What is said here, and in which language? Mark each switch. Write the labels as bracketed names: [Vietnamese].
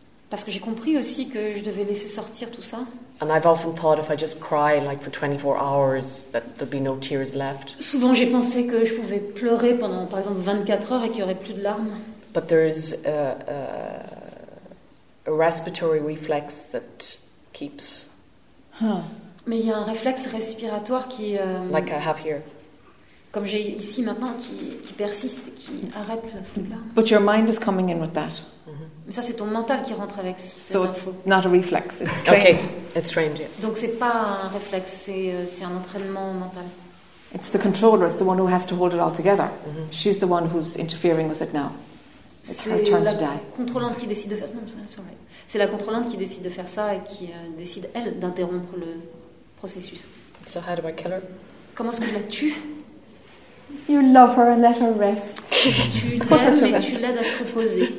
[French] Parce que j'ai compris aussi que je devais laisser sortir tout ça. [English] And I've often thought if I just cry like for 24 hours that there'd be no tears left. [French] Souvent j'ai pensé que je pouvais pleurer pendant par exemple 24 heures et qu'il y aurait plus de larmes. [English] But there's a respiratory reflex that keeps. [French] Mais il y a un réflexe respiratoire qui. [English] Like I have here. [French] Comme j'ai ici maintenant, qui persiste, qui arrête le flux de larmes. [English] But your mind is coming in with that. [French] Mais ça, c'est ton mental qui rentre avec cette [English] So [French] info. [English] It's not a reflex. It's trained. Okay, it's trained. Yeah. [French] Donc c'est pas un réflexe, c'est un entraînement mental. [English] It's the controller. It's the one who has to hold it all together. Mm-hmm. She's the one who's interfering with it now. [French] C'est la contrôlante qui décide de faire ça. Non, c'est la contrôlante qui décide de faire ça et qui décide elle d'interrompre le processus. [English] So how do I kill her? [French] Comment est-ce que je la tue? [English] You love her and let her rest. [French] Tu l'aimes et tu l'aides à se reposer.